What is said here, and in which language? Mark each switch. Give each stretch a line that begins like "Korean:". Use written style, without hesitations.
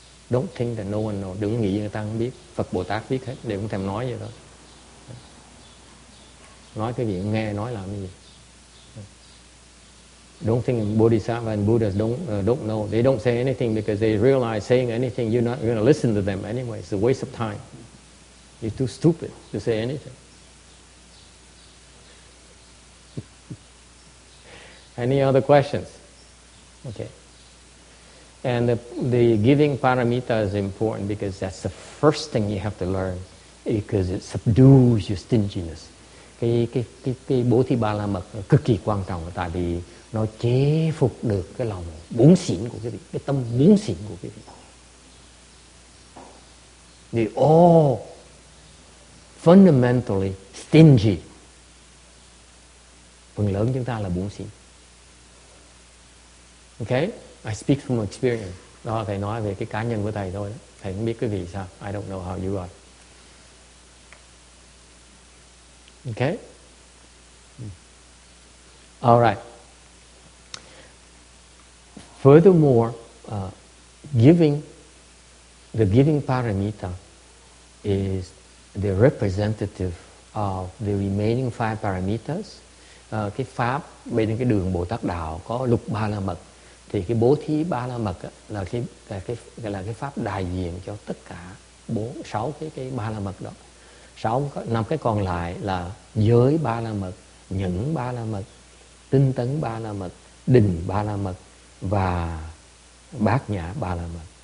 English: Don't think that no one knows.
Vietnamese: Đừng nghĩ người ta không biết. Phật Bồ Tát biết hết. Đều không thèm nói vậy thôi. Nói cái gì, nghe nói làm cái gì.
English: Don't think Bodhisattva and Buddhas don't know. They don't say anything because they realize saying anything, you're not going to listen to them anyway. It's a waste of time. You're too stupid to say anything. Any other questions? Okay. And the giving paramita is important because that's the first thing you have to learn because it subdues your stinginess.
Vietnamese: Cái bố thí ba la mật cực kỳ quan trọng, tại vì nó chế phục được cái lòng bướng xỉn của quý vị, cái tâm bướng xỉn của quý vị.
English: They all fundamentally stingy.
Vietnamese: Phần lớn chúng ta là bướng xỉn.
English: Okay, I speak from experience.
Vietnamese: Đó là thầy nói về cái cá nhân của thầy thôi. Thầy không biết quý vị sao.
English: I don't know how you are. Okay. All right. Furthermore, the giving paramita is the representative of the remaining five paramitas.
Vietnamese: Cái pháp bên cái đường Bồ Tát đạo có lục ba la mật, thì cái bố thí ba la mật là cái pháp đại diện cho tất cả sáu cái ba la mật đó. Sáu, năm cái còn lại là giới ba la mật, nhẫn ba la mật, tinh tấn ba la mật, định ba la mật và bát nhã ba la mật.